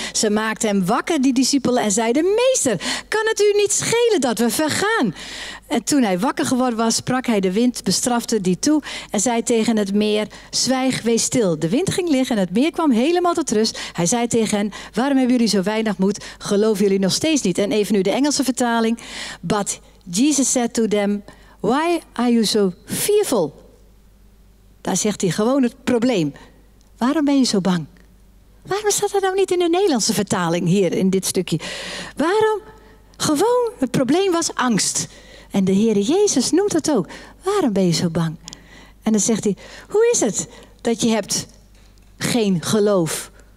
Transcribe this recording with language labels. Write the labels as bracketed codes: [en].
[nl] Ze maakten hem wakker, die discipelen, en zeiden: Meester, kan het u niet schelen dat we vergaan? En toen hij wakker geworden was, sprak hij de wind, bestrafte die toe en zei tegen het meer: Zwijg, wees stil. De wind ging liggen en het meer kwam helemaal tot rust. Hij zei tegen hen: Waarom hebben jullie zo weinig moed? Geloven jullie nog steeds niet? En even nu de Engelse vertaling. [en] But Jesus said to them, why are you so fearful? [nl] Daar zegt hij gewoon het probleem. Waarom ben je zo bang? Waarom staat dat nou niet in de Nederlandse vertaling hier in dit stukje? Waarom? Gewoon, het probleem was angst. En de Heere Jezus noemt dat ook. Waarom ben je zo bang? En dan zegt hij, hoe is het dat je hebt geen geloof?